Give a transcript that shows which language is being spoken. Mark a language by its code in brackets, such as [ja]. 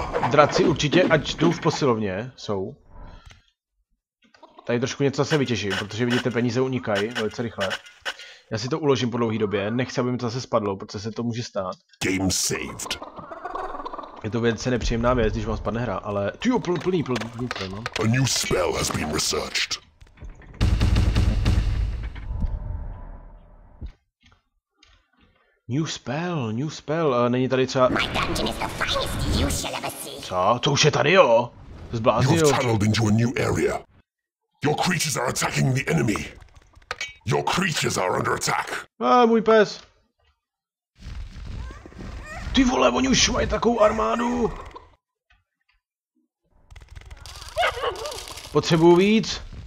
[cs] Draci určitě, ať jdou v posilovně, jsou. Tady trošku něco zase vytěžím, protože vidíte, peníze unikají velice rychle. Já si to uložím po dlouhý době, nechci, aby mi to zase spadlo, protože se to může stát. [en] Game saved. [cs] Je to velice nepříjemná věc, když vám spadne hra, ale... Tyjo, plný spell, no. [en] A new spell has been researched. New spell, [cs] není tady třeba... Co? To už je tady, jo? Zbláznil. [en] You've tunneled into a new area. Your creatures are attacking the enemy. Your creatures are under attack. [cs] A, můj pes. Ty vole, oni už mají takovou armádu. Potřebuju víc.